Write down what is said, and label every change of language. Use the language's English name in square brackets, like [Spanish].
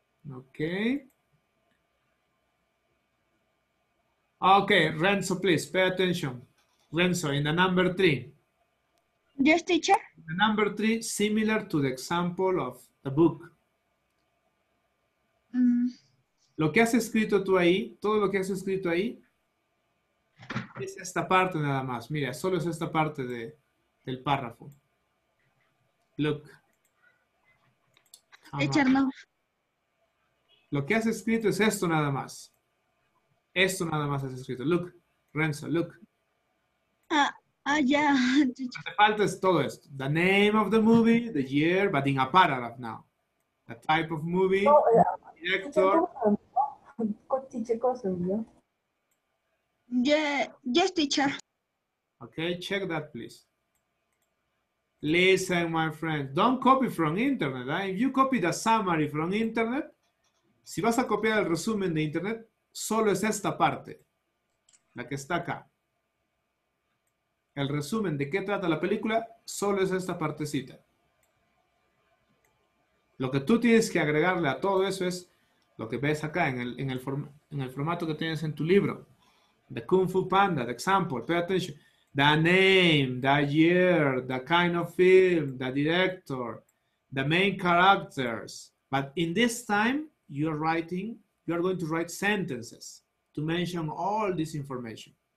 [English] Okay. Okay, Renzo, please pay attention. Renzo, in the number three. Yes, teacher. The number three, similar to the example of the book. [Spanish] Lo que has escrito tú ahí, todo lo que has escrito ahí, es esta parte nada más. Mira, solo es esta parte del párrafo. [English] Look. [Spanish] Teacher, no. Lo que has escrito es esto nada más. Esto nada más has escrito. [English] Look, Renzo, look. Yeah. The part is [Spanish] todo esto. [English] The name of the movie, the year, but in a paragraph now. The type of movie, director. Yes, teacher. Okay, check that, please. Listen, my friend, don't copy from internet. Eh? If you copy the summary from internet, [Spanish] si vas a copiar el resumen de internet, solo es esta parte, la que está acá. El resumen de qué trata la película, solo es esta partecita. Lo que tú tienes que agregarle a todo eso es lo que ves acá en el formato que tienes en tu libro. [English] The Kung Fu Panda, the example, pay attention. The name, the year, the kind of film, the director, the main characters. But in this time, you are going to write sentences to mention all this information.